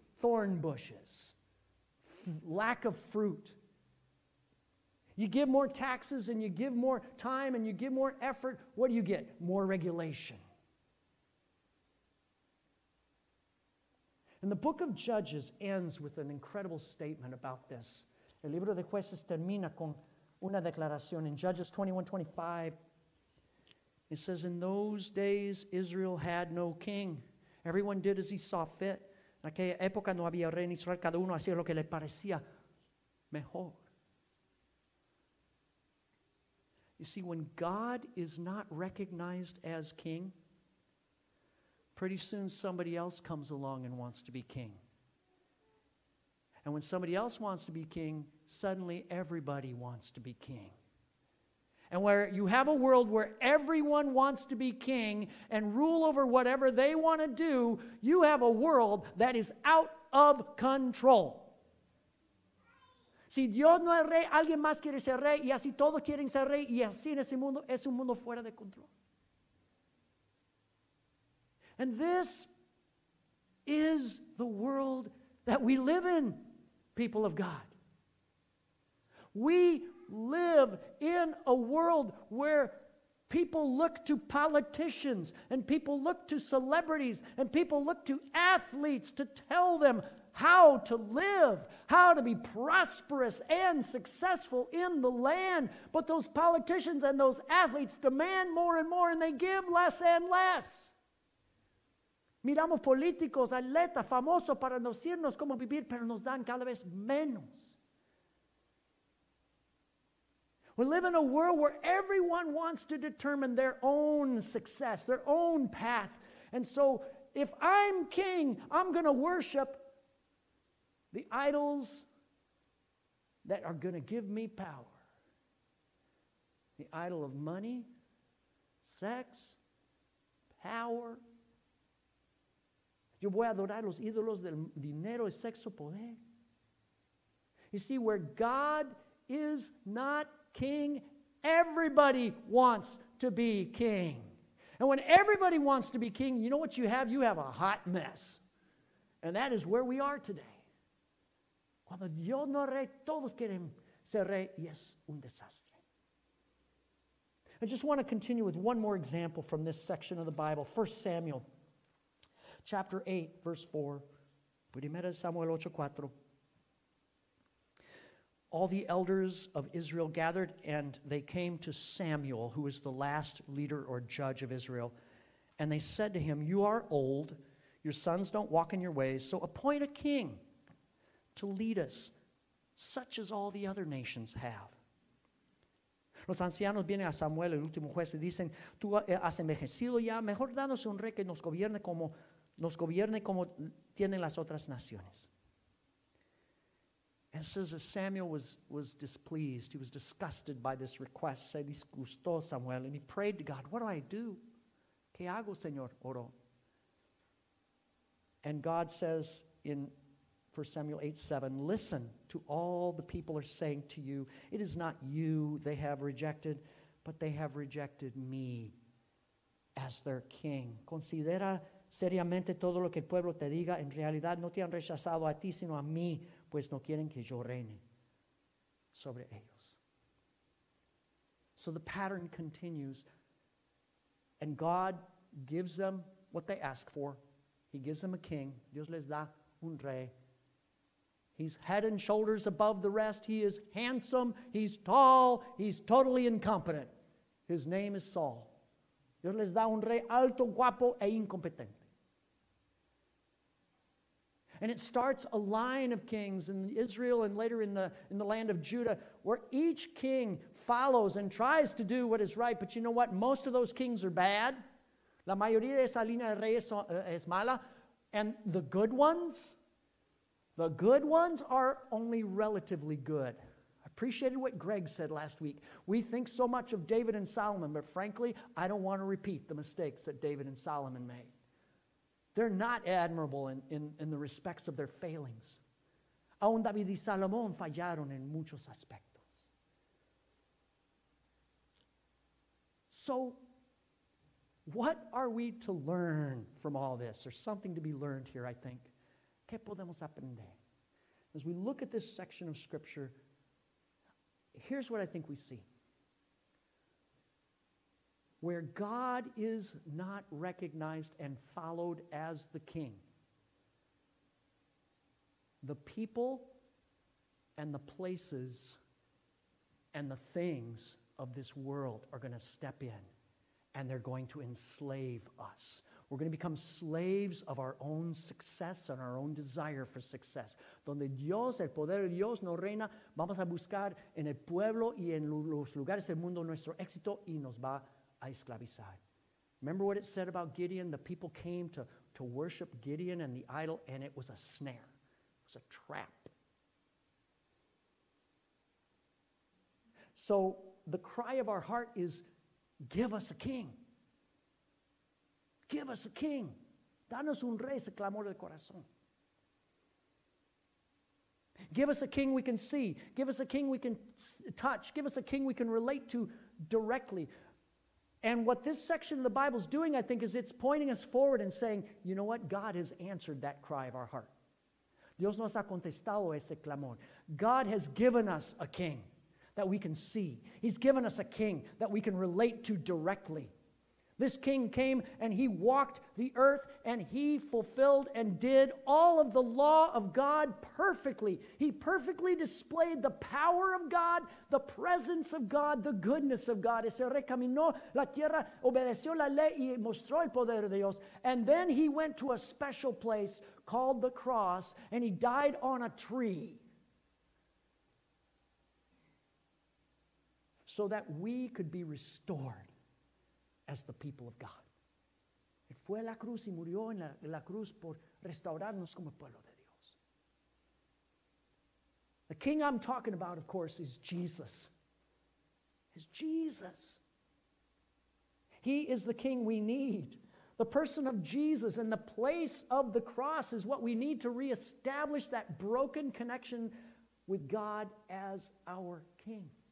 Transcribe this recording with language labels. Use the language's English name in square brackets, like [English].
[English] Thorn bushes, lack of fruit. You give more taxes and you give more time and you give more effort, what do you get? More regulation. And the book of Judges ends with an incredible statement about this. [Spanish] El libro de jueces termina con una declaración. [English] In Judges 21:25, it says, in those days Israel had no king. Everyone did as he saw fit. [Spanish] En aquella época no había rey en Israel. Cada uno hacía lo que le parecía mejor. [English] You see, when God is not recognized as king, pretty soon somebody else comes along and wants to be king. And when somebody else wants to be king, suddenly everybody wants to be king. And where you have a world where everyone wants to be king and rule over whatever they want to do, you have a world that is out of control. [Spanish] Si Dios no es rey, alguien más quiere ser rey, y así todos quieren ser rey, y así en ese mundo es un mundo fuera de control. [English] And this is the world that we live in, people of God. We live in a world where people look to politicians and people look to celebrities and people look to athletes to tell them how to live, how to be prosperous and successful in the land. But those politicians and those athletes demand more and more, and they give less and less. [Spanish] Miramos políticos, atletas, famosos para decirnos cómo vivir, pero nos dan cada vez menos. [English] We live in a world where everyone wants to determine their own success, their own path. And so if I'm king, I'm going to worship the idols that are going to give me power. The idol of money, sex, power. [Spanish] Yo voy a adorar los ídolos del dinero, el sexo, poder. [English] You see, where God is not king, everybody wants to be king. And when everybody wants to be king, you know what you have? You have a hot mess. And that is where we are today. [Spanish] Cuando Dios no es rey, todos quieren ser rey, y es un desastre. [English] I just want to continue with one more example from this section of the Bible, 1 Samuel. Chapter 8, verse 4. [Spanish] Primera Samuel [English] 8:4. All the elders of Israel gathered, and they came to Samuel, who is the last leader or judge of Israel. And they said to him, you are old, your sons don't walk in your ways, so appoint a king to lead us, such as all the other nations have. [Spanish] Los ancianos vienen a Samuel, el último juez, y dicen, tú has envejecido ya, mejor danos un rey que nos gobierne como tienen las otras naciones. [English] And it says that Samuel was displeased. He was disgusted by this request. [Spanish] Se disgustó Samuel. [English] And he prayed to God, what do I do? [Spanish] ¿Qué hago, Señor? Oro. [English] And God says in 1 Samuel 8:7, listen to all the people are saying to you. It is not you they have rejected, but they have rejected me as their king. [Spanish] Considera seriamente todo lo que el pueblo te diga. En realidad no te han rechazado a ti, sino a mí, pues no quieren que yo reine sobre ellos. [English] So the pattern continues. And God gives them what they ask for. He gives them a king. [Spanish] Dios les da un rey. [English] He's head and shoulders above the rest. He is handsome. He's tall. He's totally incompetent. His name is Saul. [Spanish] Dios les da un rey alto, guapo, e incompetente. [English] And it starts a line of kings in Israel and later in the land of Judah, where each king follows and tries to do what is right. But you know what? Most of those kings are bad. [Spanish] La mayoría de esa línea de reyes es mala. [English] And the good ones are only relatively good. I appreciated what Greg said last week. We think so much of David and Solomon, but frankly, I don't want to repeat the mistakes that David and Solomon made. They're not admirable in the respects of their failings. [Spanish] Aún David y Salomón fallaron en muchos aspectos. [English] So, what are we to learn from all this? There's something to be learned here, I think. [Spanish] ¿Qué podemos aprender? [English] As we look at this section of Scripture, here's what I think we see. Where God is not recognized and followed as the king, the people and the places and the things of this world are going to step in and they're going to enslave us. We're going to become slaves of our own success and our own desire for success. [Spanish] Donde Dios, el poder de Dios, no reina, vamos a buscar en el pueblo y en los lugares del mundo nuestro éxito y nos va a esclavizar. [English] Remember what it said about Gideon? The people came to worship Gideon and the idol, and it was a snare. It was a trap. So the cry of our heart is, give us a king. Give us a king. [Spanish] Danos un rey, se clamó del corazón. [English] Give us a king we can see. Give us a king we can touch. Give us a king we can relate to directly. And what this section of the Bible is doing, I think, is it's pointing us forward and saying, you know what? God has answered that cry of our heart. [Spanish] Dios nos ha contestado ese clamor. [English] God has given us a king that we can see. He's given us a king that we can relate to directly. This king came and he walked the earth and he fulfilled and did all of the law of God perfectly. He perfectly displayed the power of God, the presence of God, the goodness of God. [Spanish] Ese recaminó la tierra, obedeció la ley y mostró el poder de Dios. [English] And then he went to a special place called the cross and he died on a tree, so that we could be restored as the people of God. [Spanish] Él fue a la cruz y murió en la cruz por restaurarnos como pueblo de Dios. [English] The king I'm talking about, of course, is Jesus. It's Jesus. He is the king we need. The person of Jesus and the place of the cross is what we need to reestablish that broken connection with God as our king.